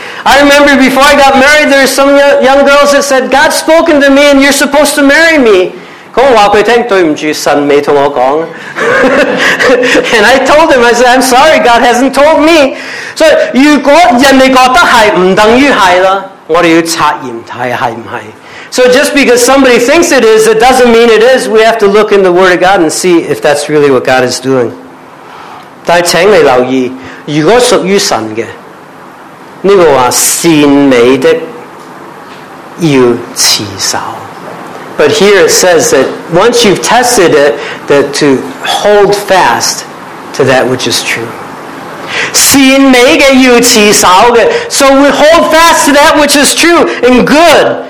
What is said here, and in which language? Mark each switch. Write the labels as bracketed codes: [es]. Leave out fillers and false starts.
[en] I remember before I got married, there were some young girls that said, God's spoken to me and you're supposed to marry me. And I told him, I said, I'm sorry, God hasn't told me. [zh] So, 如果人家觉得是,不等于是了,我们要察验它是不是。 [en] So just because somebody thinks it is, it doesn't mean it is. We have to look in the Word of God and see if that's really what God is doing. [zh] 但请你留意,如果属于神的, 这个说善美的要持守, [en] but here it says that once you've tested it, that to hold fast to that which is true. [zh] 善美的要持守的, [en] so we hold fast to that which is true and good.